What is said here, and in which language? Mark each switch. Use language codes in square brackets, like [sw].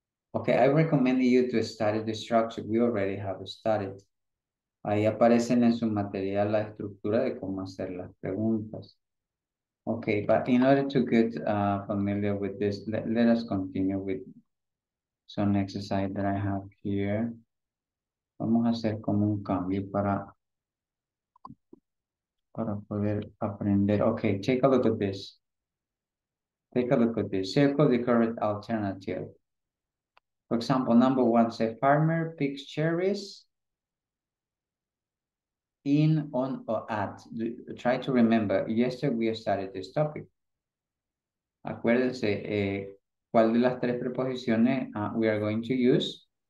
[en] Okay, I recommend you to study the structure we already have studied. [es] Ahí aparecen en su material la estructura de cómo hacer las preguntas. [en] Okay, but in order to get familiar with this, let us continue with some exercise that I have here. [es] Vamos a hacer como un cambio para poder aprender. [en] Okay, take a look at this. Take a look at this. Circle the correct alternative. For example, number one, say farmer picks cherries in, on, or at. Try to remember, yesterday we started this topic. [es] Acuérdense, ¿cuál de las tres preposiciones we are going to use?